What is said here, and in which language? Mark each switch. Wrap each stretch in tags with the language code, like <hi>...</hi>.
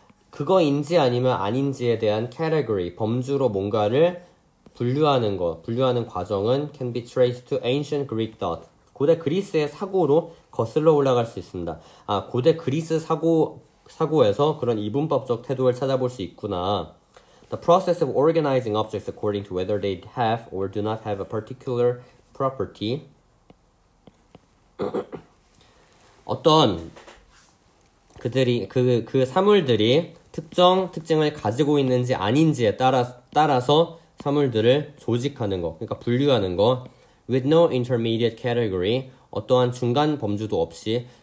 <ko>그거인지 아니면 아닌지에 대한 category, 범주로 뭔가를 분류하는 거, 분류하는 과정은</ko> <en>can be traced to ancient Greek thought.</en> <ko>고대 그리스의 사고로 거슬러 올라갈 수 있습니다. 아, 고대 그리스 사고에서 그런 이분법적 태도를 찾아볼 수 있구나.</ko> <en>The process of organizing objects according to whether they have or do not have a particular property.</en> <ko>어떤 그들이 그 사물들이 특징을 가지고 있는지 아닌지에 따라서 사물들을 조직하는 거, 그러니까 분류하는 거.</ko> <en>With no intermediate category,</en> <ko>어떠한 중간 범주도 없이.</ko>